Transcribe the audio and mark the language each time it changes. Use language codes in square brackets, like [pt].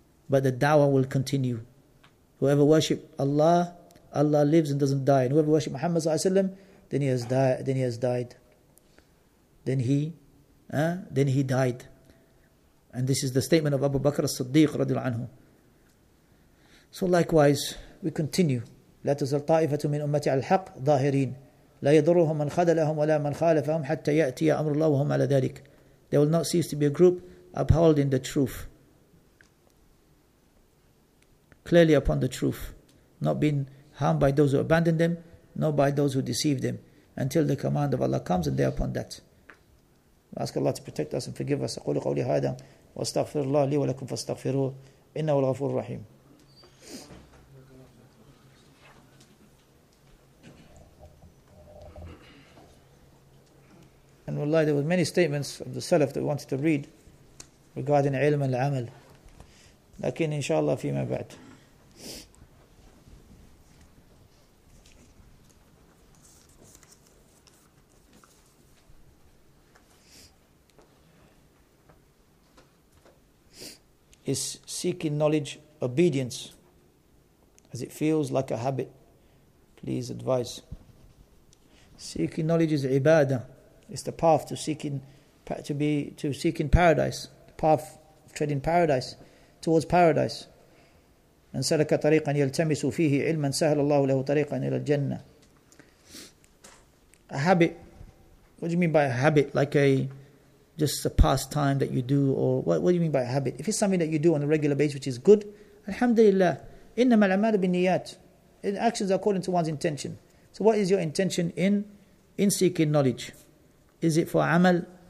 [en] But the da'wah will continue. Whoever worship Allah, Allah lives and doesn't die. And whoever worship Muhammad sallallahu alaihi wasallam, then he has died. Then he died. And this is the statement of Abu Bakr as-Siddiq radiallahu anhu. So likewise, we continue. [ar] لا تزال طائفة من أمة على الحق ظاهرين لا يضرهم من خذلهم ولا من خالفهم حتى يأتي أمر الله وهم على ذلك. [en] They will not cease to be a group upholding the truth, clearly upon the truth, not being harmed by those who abandon them, nor by those who deceive them, until the command of Allah comes, and they are upon that. We ask Allah to protect us and forgive us. [ar] أقول قولي هذا واستغفر الله لي ولكم فاستغفروه إنه الغفور الرحيم. [en] And wallahi, there were many statements of the Salaf that we wanted to read regarding ilm and amal. [ar] Lakin inshallah fima ba'd. [en] Is seeking knowledge obedience, as it feels like a habit? Please advise. Seeking knowledge is ibadah. It's the path to seeking paradise, the path of treading paradise, towards paradise. [ar] مَنْ سَلَكَ طَرِيقًا يَلْتَمِسُ فِيهِ عِلْمًا سَهَلَ اللَّهُ لَهُ طَرِيقًا إِلَى الْجَنَّةِ. [en] A habit. What do you mean by a habit? Like just a pastime that you do, or what do you mean by a habit? If it's something that you do on a regular basis, which is good, alhamdulillah. [ar] إِنَّمَا الْعَمَالُ بِالنِّيَاتِ. [en] Actions according to one's intention. So what is your intention in seeking knowledge? Is it for amal?